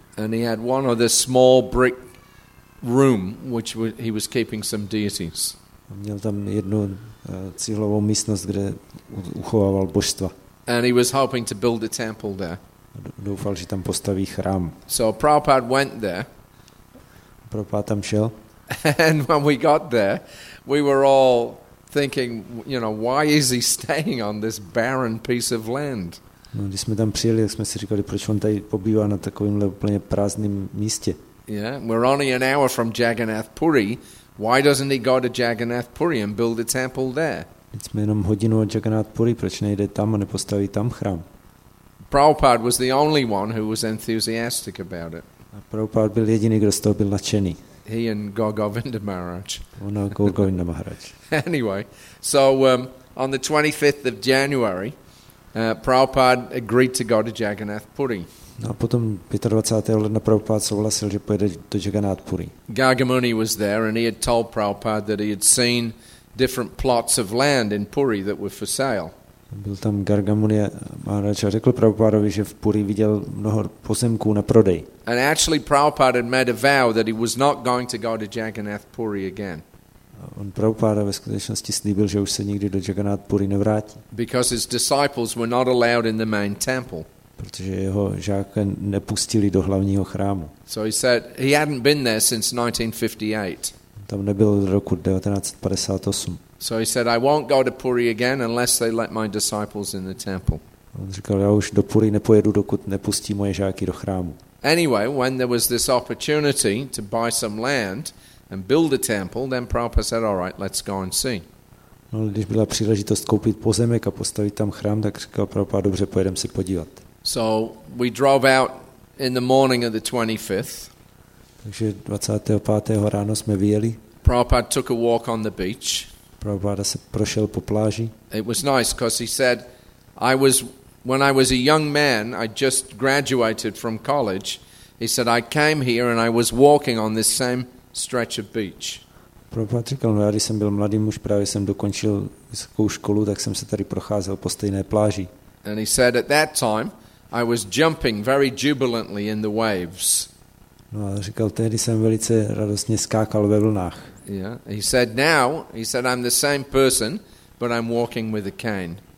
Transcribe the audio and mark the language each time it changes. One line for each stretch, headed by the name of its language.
English: And he had one other small brick room, which he was keeping some deities.
Czech: Měl tam jednu cihlovou místnost, kde uchovával božstva.
English: And he was hoping to build a temple there.
Czech: Doufal, že tam postaví chrám.
English: So Prabhupada went there.
Czech: Prabhupada tam šel.
English: And when we got there, we were all thinking, you know, why is he staying on this barren piece of land?
Czech: No, když jsme tam přijeli, tak jsme si říkali, proč on tady pobývá na takovémhle úplně prázdném místě.
English: Yeah, we're only an hour from Jagannath Puri. Why doesn't he go to Jagannath Puri and build a temple there?
Czech: Teď jsme jenom hodinu od Jagannath Puri, proč nejde tam a nepostaví tam chrám?
English: Prabhupada was the only one who was enthusiastic about it.
Czech: Prabhupada byl jediný, kdo z toho byl nadšený.
English: He and Gogovinda Maharaj.
Czech: On a Gogovinda Maharaj.
English: Anyway, so on the 25th of January, Prabhupada agreed to go to Jagannath Puri.
Czech: No, potom 25. ledna Prabhupada souhlasil, že pojede do Jagannath Puri.
English: Gagamuni was there and he had told Prabhupada that he had seen different plots of land in Puri that were for sale.
Czech: Byl tam Gargamuni Maharaj a řekl Prabhupadovi, že v Puri viděl mnoho pozemků na prodej.
English: And actually Prabhupada had made a vow that he was not going to go to Jagannath Puri again.
Czech: On Prabhupada ve skutečnosti slíbil, že už se nikdy do Jagannath Puri nevrátí.
English: Because his disciples were not allowed in the main temple.
Czech: Protože jeho žáky nepustili do hlavního chrámu.
English: So he said he hadn't been there since 1958.
Czech: Tam nebyl od roku 1958.
English: So he said, I won't go to Puri again unless they let my disciples in the temple.
Czech: On říkal, já už do Puri nepojedu, dokud nepustí moje žáky do chrámu.
English: Anyway, when there was this opportunity to buy some land and build a temple, then Prabhupada said, all right, let's go and see.
Czech: No, když byla příležitost koupit pozemek a postavit tam chrám, tak říkal Prabhupada, dobře, pojedem se podívat.
English: So we drove out in the morning of the 25th.
Czech: Takže 25. ráno jsme vyjeli.
English: Prabhupada took a walk on the beach.
Czech: Prabhupada se prošel po pláži.
English: It was nice because he said, when I was a young man, I just graduated from college. He said, I came here and I was walking on this same stretch of beach.
Czech: Prabhupada říkal, no, já když jsem byl mladý muž, právě jsem dokončil vysokou školu, tak jsem se tady procházel po stejné pláži.
English: And he said, at that time, I was jumping very jubilantly in the waves.
Czech: No a říkal, tehdy jsem velice radostně skákal ve vlnách.
English: Yeah, he said now, he said I'm the same person, but I'm walking with a cane.